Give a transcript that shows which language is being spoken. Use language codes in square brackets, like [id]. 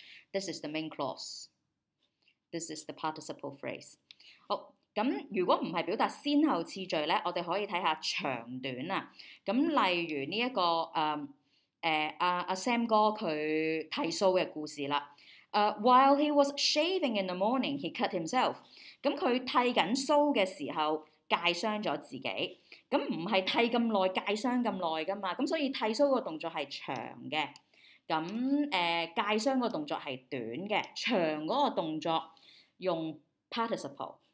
[en] This is the main clause. This is the participle phrase. [yue] 好。咁如果唔係表達先後次序咧，我哋可以睇下長短啊。咁例如呢、這、一個Sam 哥佢剃須嘅故事啦。 [en] While he was shaving in the morning, he cut himself。 [yue] 咁佢剃緊須嘅時候，戒傷咗自己。咁唔係剃咁耐，戒傷咁耐噶嘛。咁所以剃須個動作係長嘅。咁戒傷個動作係短嘅。長嗰個動作用 participle。